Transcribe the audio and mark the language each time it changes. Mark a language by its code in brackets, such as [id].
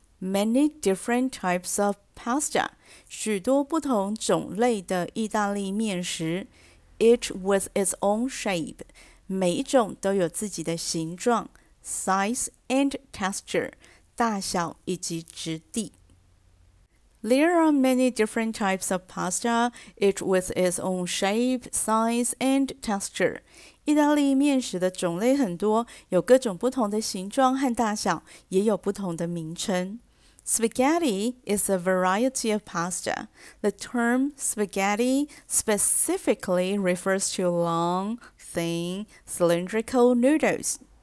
[en] Many different types of pasta, [zh] 许多不同种类的意大利面食 [en] each with its own shape, [zh] 每一种都有自己的形状 [en] size and texture, [zh] 大小以及质地 [en] There are many different types of pasta, each with its own shape, size and texture. [zh] 意大利面食的种类很多,有各种不同的形状和大小,也有不同的名称。 [en] Spaghetti is a variety of pasta. The term spaghetti specifically refers to long, thin, cylindrical noodles.